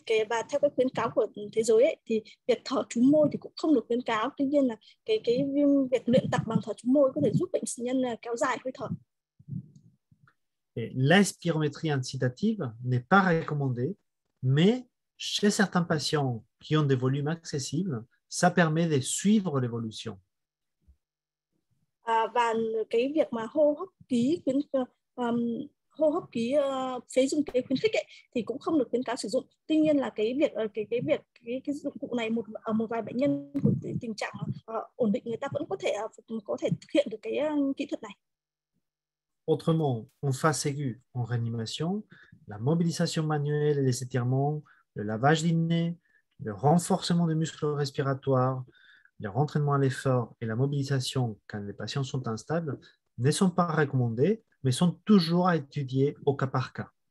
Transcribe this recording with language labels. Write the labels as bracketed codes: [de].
[vi] Và theo cái khuyến cáo của thế giới ấy, thì việc thở trúng môi thì cũng không được khuyến cáo. Tuy nhiên là cái việc luyện tập bằng thở trúng môi có thể giúp bệnh nhân kéo dài hơi thở. [fr] L'aspirométrie incitative n'est pas recommandée, mais chez certains patients qui ont des volumes accessibles, ça permet de suivre l'évolution. [vi] Và cái việc mà hô hấp ký khuyến hô hấp ký phế dung kế khuyến khích ấy, thì cũng không được khuyến cáo sử dụng. Tuy nhiên là cái dụng cụ này một ở một vài bệnh nhân có tình trạng ổn định, người ta vẫn có thể thực hiện được cái kỹ thuật này. [fr] Autrement, en phase aiguë, en réanimation, la mobilisation manuelle et les étirements, le lavage du nez, le renforcement des muscles respiratoires, le rentraînement à l'effort et la mobilisation quand les patients sont instables ne sont pas recommandés, mais sont toujours à étudier au cas par cas.